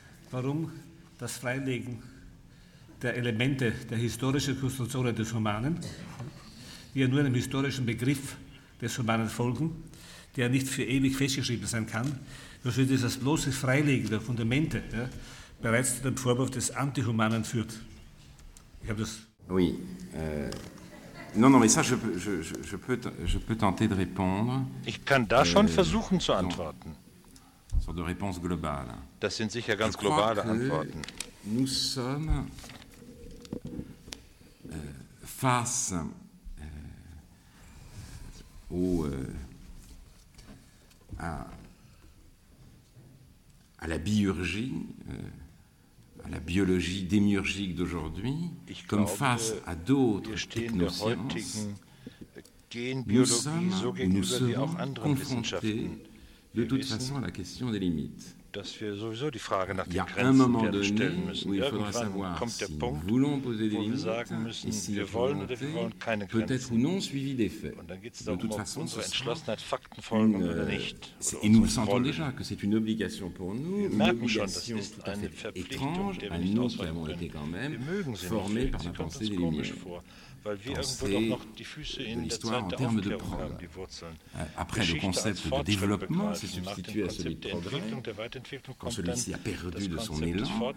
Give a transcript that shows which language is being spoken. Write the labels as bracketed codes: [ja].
[de] warum das Freilegen der Elemente der historischen Konstruktionen des Humanen, die ja nur einem historischen Begriff des Humanen folgen, der nicht für ewig festgeschrieben sein kann, dass wir dieses bloße Freilegen der Fundamente ja, bereits zu dem Vorwurf des Antihumanen führt. Ich habe das... [fr] Oui. Je peux tenter de répondre. [de] Ich kann da schon versuchen zu antworten. [fr] Sorte de réponse globale. [de] Das sind sicher ganz globale Antworten. [fr] Nous sommes face au à la biurgie, à la biologie démiurgique d'aujourd'hui, comme face à d'autres technosciences, nous sommes ou nous serons confrontés de toute façon à la question des limites. [de] Dass wir sowieso die Frage nach den Grenzen stellen müssen. Irgendwann kommt der Punkt, wo wir sagen müssen, wir wollen oder wir wollen keine Grenzen. [fr] Ou non suivi des faits. [de] Und dann geht es darum, ob unsere Entschlossenheit Fakten folgen oder nicht. [fr] Et nous sentons déjà que c'est une obligation pour nous. [de] Wir merken schon, das ist eine Verpflichtung, der wir nicht ausweichen können. Wir mögen sie nicht, sie kommt uns komisch vor. Weil wir irgendwo doch noch die Füße in der Zeit der Aufklärung haben, die Wurzeln. [fr] Après le concept de développement, c'est substitué à celui de progrès. Quand celui-ci a perdu de son élan,